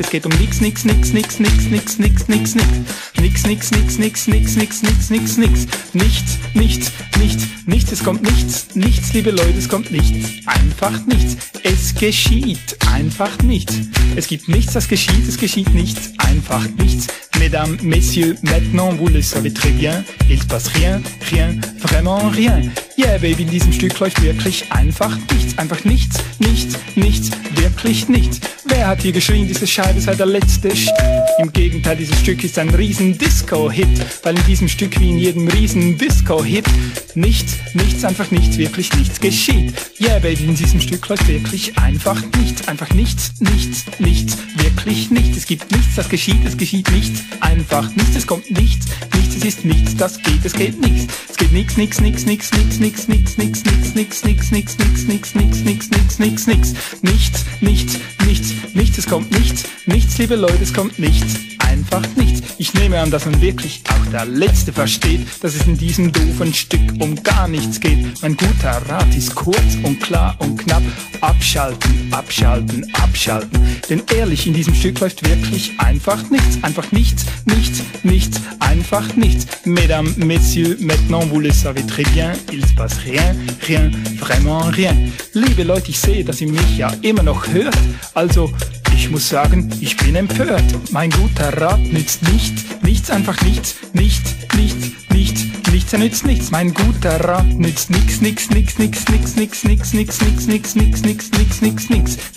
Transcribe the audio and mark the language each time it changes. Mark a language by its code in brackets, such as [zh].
[de] Es geht um nichts, nichts, nichts, nichts, nichts, nichts, nichts, nichts, nichts, nichts, nichts, nichts, nichts, nichts, nichts, nichts, nichts, nichts, nichts, nichts, nichts, nichts, es kommt nichts, nichts, liebe Leute, es kommt nichts, einfach nichts. Es geschieht einfach nichts. Es gibt nichts, das geschieht, es geschieht nichts, einfach nichts. [fr] Mesdames, Messieurs, maintenant vous le savez très bien, il se passe rien, rien, vraiment rien. [de] Yeah, Baby, in diesem Stück läuft wirklich einfach nichts, nichts, nichts, wirklich nichts. Wer hat hier geschrien, diese Scheibe sei der letzte Sch? Im Gegenteil, dieses Stück ist ein Riesen-Disco-Hit, weil in diesem Stück wie in jedem Riesen-Disco-Hit nichts, nichts, einfach nichts, wirklich nichts geschieht. Yeah, Baby, in diesem Stück läuft wirklich einfach nichts, nichts, nichts, wirklich nichts. Es gibt nichts, das geschieht, es geschieht nichts, einfach nichts, es kommt nichts, nichts, es ist nichts, das geht, es geht nichts. Es geht nichts, nichts, nichts, nichts, nichts, nichts, nichts, nichts, nichts, nichts, nichts, nichts, nichts, nichts, nichts, nichts, nichts, nichts, nichts, nichts, nichts, nichts, nichts, es kommt nichts, nichts, liebe Leute, es kommt nichts, einfach nichts. Ich nehme an, dass man wirklich auch der Letzte versteht, dass es in diesem doofen Stück um gar nichts geht. Mein guter Rat ist kurz und klar und knapp, abschalten, abschalten, abschalten. Denn ehrlich, in diesem Stück läuft wirklich einfach nichts, nichts, nichts, einfach nichts. [fr] Mesdames, Messieurs, maintenant vous le savez très bien, il se passe rien, rien, vraiment rien. [de] Liebe Leute, ich sehe, dass ihr mich ja immer noch hört, also ich muss sagen, ich bin empört. Mein guter Rat nützt nichts, nichts, einfach nichts, nichts, nichts, nichts, nichts, er nützt nichts. Mein guter Rat nützt nix, nix, nix, nix, nix, nix, nix, nix, nix, nix, nix, nix, nix, nix, nix.